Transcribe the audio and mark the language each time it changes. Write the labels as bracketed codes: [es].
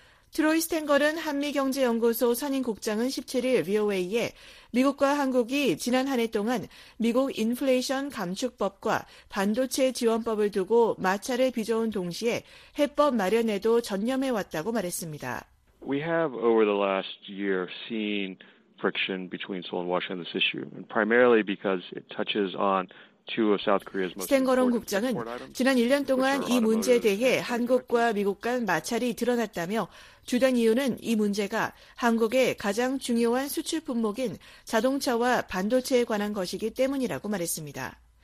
[ko] 트로이 스탱걸은 한미경제연구소 선임국장은 17일 VOA에 미국과 한국이 지난 한 해 동안 미국 인플레이션 감축법과 반도체 지원법을 두고 마찰을 빚어온 동시에 해법 마련에도 전념해왔다고 말했습니다. [en] We have over the last year seen friction between Seoul and Washington on this issue, and primarily because it touches on [ko] 스탱거론 국장은 지난 1년 동안 이 문제에 대해 한국과 미국 간 마찰이 드러났다며 주된 이유는 이 문제가 한국의 가장 중요한 수출 품목인 자동차와 반도체에 관한 것이기 때문이라고 말했습니다.